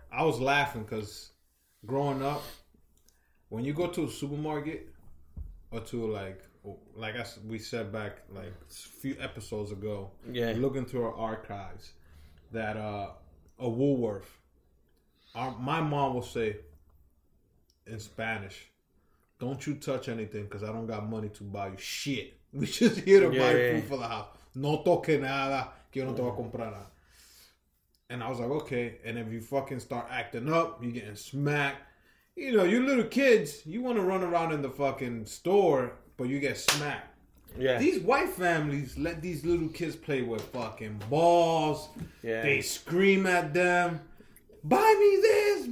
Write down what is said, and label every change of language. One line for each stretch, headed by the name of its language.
English: I was laughing because growing up, when you go to a supermarket or to like as we said back like a few episodes ago, yeah, looking through our archives, that a Woolworth, my mom will say in Spanish, don't you touch anything because I don't got money to buy you shit. We just here to buy food for the house.
Spanish: No toque nada, que yo no te voy a comprar nada.
English: And I was like, okay. And if you fucking start acting up, you're getting smacked. You know, you little kids, you want to run around in the fucking store, but you get smacked. Yeah. These white families let these little kids play with fucking balls. Yeah. They scream at them. Buy me this.